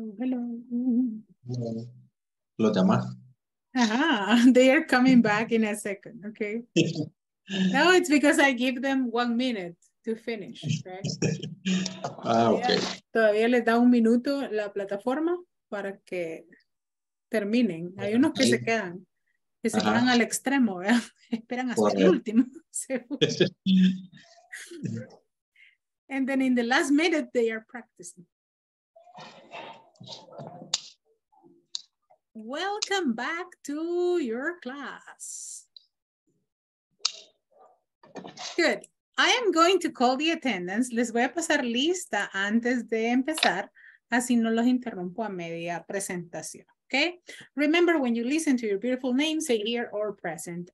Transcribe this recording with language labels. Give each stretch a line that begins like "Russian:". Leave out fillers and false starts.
English: Hello, hello. They are coming back in a second, okay? No, it's because I give them 1 minute to finish, right? Ah, okay.
Spanish: Todavía les da un minuto la plataforma para que terminen. Hay unos que se quedan, que se quedan al extremo, ¿verdad? Esperan hasta el último.
English: And then in the last minute, they are practicing. Welcome back to your class. Good. I am going to call the attendance.
Spanish: Les voy a pasar lista antes de empezar, así no los interrumpo a media presentación.
English: Okay? Remember, when you listen to your beautiful name, say here or present.